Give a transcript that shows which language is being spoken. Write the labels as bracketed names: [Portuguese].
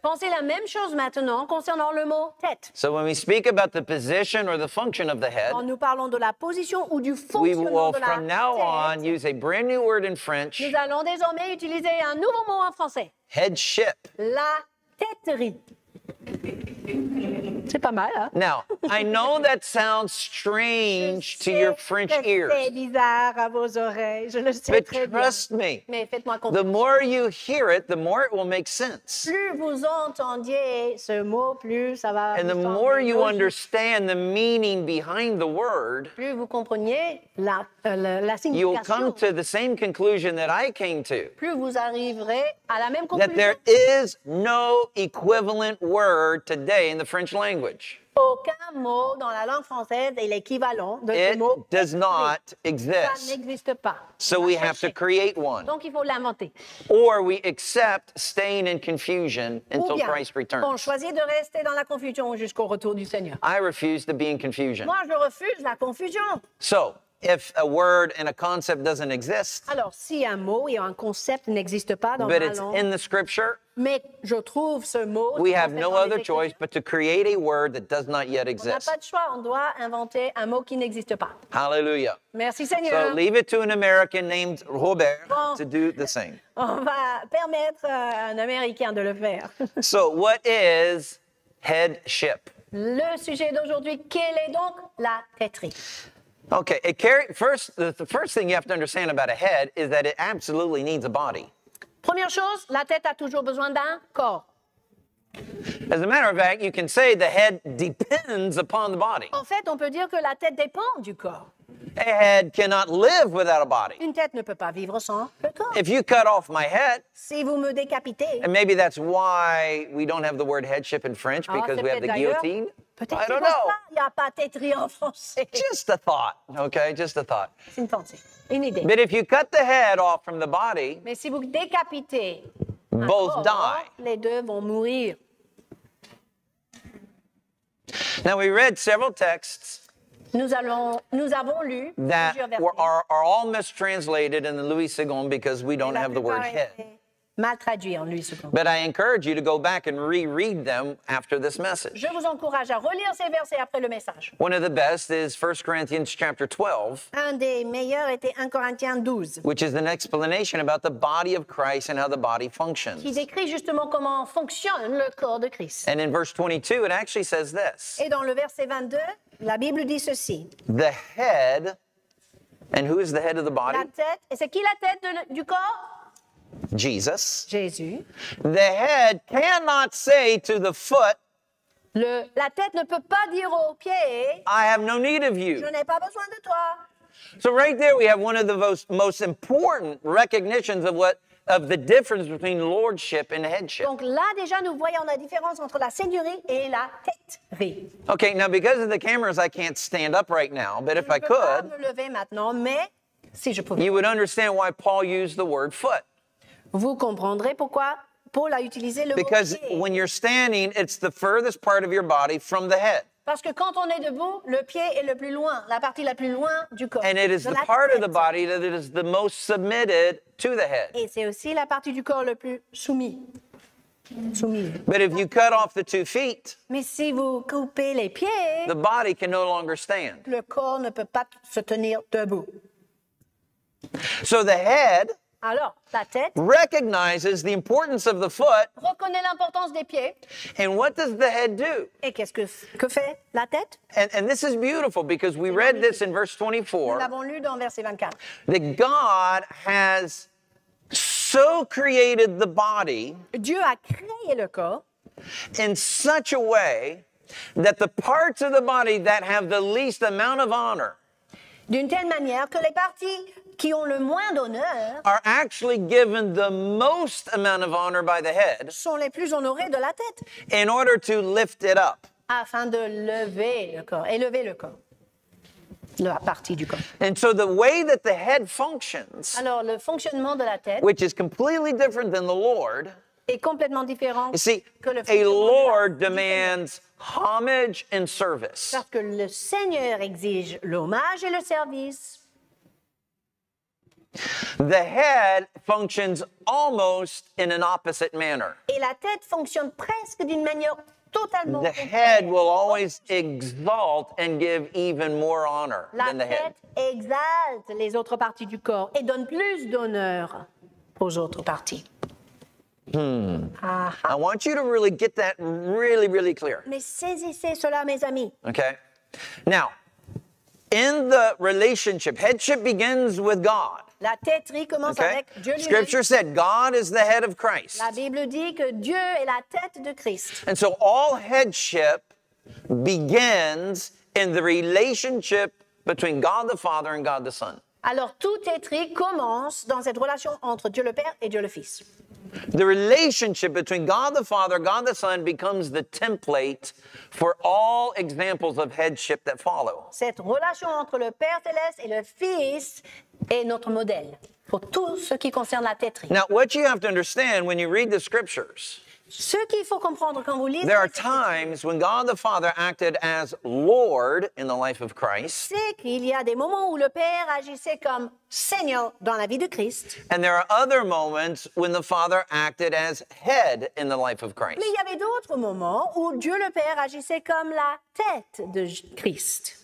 [French] Pensez la même chose maintenant concernant le mot tête. [English] So when we speak about the position or the function of the head, [French] quand nous parlons de la position ou du fonctionnement [English] we will, [French] de la [English] from now [French] tête, [English] on, use a brand new word in French. [French] Nous allons désormais utiliser un nouveau mot en français. [English] Headship. [French] La têterie. C'est pas mal, hein? [English] Now, I know that sounds strange [French] je [English] to your French ears. [French] C'est bizarre à vos oreilles, je le sais [English] But [French] très bien. [English] But trust me, [French] mais faites-moi confiance. [English] The more you hear it, the more it will make sense. [French] Plus vous entendiez ce mot, plus ça va [English] And the more you understand the meaning behind the word, [French] plus vous compreniez la signification. [English] You'll come to the same conclusion that I came to. [French] Plus vous arriverez à la même conclusion. [English] That there is no equivalent word today in the French language. [French] Aucun mot dans la langue française est l'équivalent de ce mot. [English] It does not exist. [French] Ça n'existe pas. [English] So we have to create one. [French] Donc il faut l'inventer. [English] Or we accept staying in confusion until Christ returns. [French] On choisit de rester dans la confusion jusqu'au retour du Seigneur. [English] I refuse to be in confusion. [French] Moi je refuse la confusion. [English] So if a word and a concept doesn't exist, [French] alors si un mot et un concept n'existent pas dans [English] but [French] ma [English] it's [French] langue, [English] in the scripture, [French] mais je trouve ce mot, [English] we have no other choice but to create a word that does not yet exist. [French] On n'a pas de choix, on doit inventer un mot qui n'existe pas. [English] Hallelujah. [French] Merci Seigneur. [English] So leave it to an American named Robert to do the same. [French] On va permettre un Américain de le faire. [English] So what is headship? [French] Le sujet d'aujourd'hui, quelle est donc la têterie? [English] Okay, it carry, first, the first thing you have to understand about a head is that it absolutely needs a body. [French] Première chose, la tête a toujours besoin d'un corps. [English] As a matter of fact, you can say the head depends upon the body. [French] En fait, on peut dire que la tête dépend du corps. [English] A head cannot live without a body. [French] Une tête ne peut pas vivre sans le corps. [English] If you cut off my head, [French] si vous me décapitez, [English] and maybe that's why we don't have the word headship in French, because we have the guillotine. [French] Peut-être [English] I don't know. [French] Il n'y a pas têterie en français. [English] Just a thought, okay? Just a thought. [French] C'est une pensée, une idée. [English] But if you cut the head off from the body, [French] mais si vous décapitez, [English] both [French] corps, [English] die. [French] Les deux vont mourir. [English] Now we read several texts. [French] Nous avons lu [English] that are all mistranslated in the Louis Segond because we don't have the word head. [French] Mal traduit en Louis Segond. [English] But I encourage you to go back and reread them after this message. [French] Je vous encourage à relire ces versets après le message. [English] One of the best is 1 Corinthians chapter 12. [French] Un des meilleurs était 1 Corinthiens 12. [English] Which is an explanation about the body of Christ and how the body functions. [French] Qui décrit justement comment fonctionne le corps de Christ. [English] And in verse 22, it actually says this. [French] Et dans le verset 22, la Bible dit ceci. [English] The head, and who is the head of the body? [French] La tête, et c'est qui la tête du corps? [English] Jesus. [French] Jésus. [English] The head cannot say to the foot, [French] la tête ne peut pas dire au pied, [English] I have no need of you. [French] Je n'ai pas besoin de toi. [English] So right there we have one of the most important recognitions of what of the difference between lordship and headship. [French] Donc là déjà nous voyons la différence entre la seigneurie et la têterie. [English] Okay, now because of the cameras I can't stand up right now, but if I could, [French] je peux me lever maintenant, mais si je pouvais. [English] You would understand why Paul used the word foot. [French] Vous comprendrez pourquoi Paul a utilisé le [English] Because [French] mot pied. [English] Because when you're standing, it's the furthest part of your body from the head. [French] Parce que quand on est debout, le pied est le plus loin, la partie la plus loin du corps. [English] And it is the part [French] tête. [English] Of the body that is the most submitted to the head. [French] Et c'est aussi la partie du corps le plus soumis. [English] But if you cut off the 2 feet, [French] mais si vous coupez les pieds, [English] the body can no longer stand. [French] Le corps ne peut pas se tenir debout. [English] So the head, [French] alors, la tête, [English] recognizes the importance of the foot. [French] Reconnaît l'importance des pieds. [English] And what does the head do? [French] Et qu'est-ce que fait la tête? [English] And this is beautiful because we read this in verse 24. [French] Nous l'avons lu dans verset 24. [English] That God has so created the body, [French] Dieu a créé le corps, [English] in such a way that the parts of the body that have the least amount of honor, [French] d'une telle manière que les parties qui ont le moins d'honneur, [English] are actually given the most amount of honor by the head, [French] sont les plus honorés de la tête, [English] in order to lift it up, [French] afin de lever le corps, élever le corps. La partie du corps. [English] And so the way that the head functions, [French] alors, le fonctionnement de la tête, [English] which is completely different than the Lord, [French] est complètement différent, [English] you see, [French] que le [English] a Lord demands homage and service. [French] Parce que le Seigneur exige l'hommage et le service. [English] The head functions almost in an opposite manner. [French] Et la tête fonctionne presque d'une manière [English] the head will always exalt and give even more honor [French] la [English] than the head. [French] La tête exalte les autres parties du corps et donne plus d'honneur aux autres parties. [English] I want you to really get that really, really clear. [French] Mais saisissez cela, mes amis. [English] Okay. Now, in the relationship, headship begins with God. [French] La tête commence okay. avec Dieu lui-même. [English] Scripture said God is the head of Christ. [French] La Bible dit que Dieu est la tête de Christ. [English] And so all headship begins in the relationship between God the Father and God the Son. [French] Alors toute tête commence dans cette relation entre Dieu le Père et Dieu le Fils. [English] The relationship between God the Father, God the Son becomes the template for all examples of headship that follow. [French] Cette relation entre le Père céleste et le Fils est notre modèle pour tout ce qui concerne la tétrie. [English] Now, what you have to understand when you read the scriptures, [French] ce qu'il faut comprendre quand vous lisez, [English] there are times when God the Father acted as Lord in the life of Christ. [French] C'est qu'il y a des moments où le Père agissait comme Seigneur dans la vie de Christ. [English] And there are other moments when the Father acted as head in the life of Christ. [French] Mais il y avait d'autres moments où Dieu le Père agissait comme la tête de Christ.